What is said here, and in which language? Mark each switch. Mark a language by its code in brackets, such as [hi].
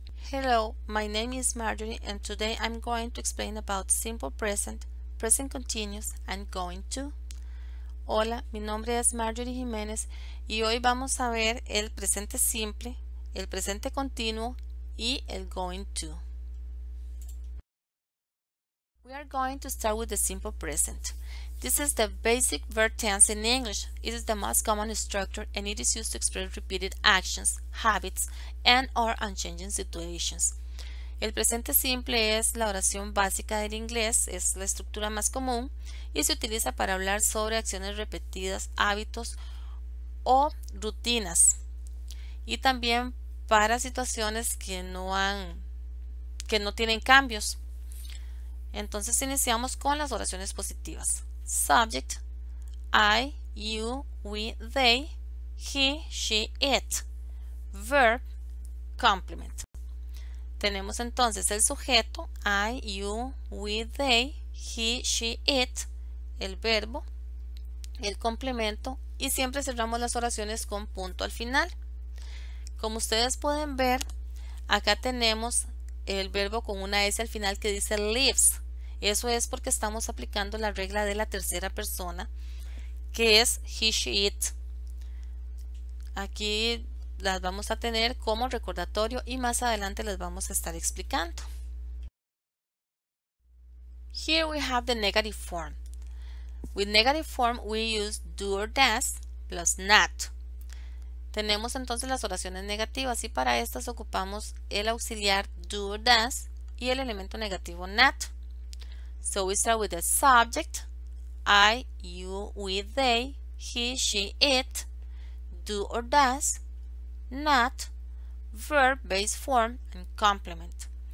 [en] Hello, my name is Marjorie and today I'm going to explain about simple present, present continuous and going to. [es] Hola, mi nombre es Marjorie Jiménez y hoy vamos a ver el presente simple, el presente continuo y el going to. [en] We are going to start with the simple present. This is the basic verb tense in English. It is the most common structure and it is used to express repeated actions, habits, and or unchanging situations. [es] El presente simple es la oración básica del inglés, es la estructura más común y se utiliza para hablar sobre acciones repetidas, hábitos o rutinas. Y también para situaciones que no tienen cambios. Entonces iniciamos con las oraciones positivas. [en] Subject, I, you, we, they, he, she, it. Verb, complement. [es] Tenemos entonces el sujeto, I, you, we, they, he, she, it, el verbo, el complemento, y siempre cerramos las oraciones con punto al final. Como ustedes pueden ver, acá tenemos el verbo con una S al final que dice lives. Eso es porque estamos aplicando la regla de la tercera persona, que es he, she, it. Aquí las vamos a tener como recordatorio y más adelante las vamos a estar explicando. [en] Here we have the negative form. With negative form, we use do or does plus not. [es] Tenemos entonces las oraciones negativas y para estas ocupamos el auxiliar do or does y el elemento negativo not. [en] So we start with the subject, I, you, we, they, he, she, it, do or does, not, verb, base form, and complement.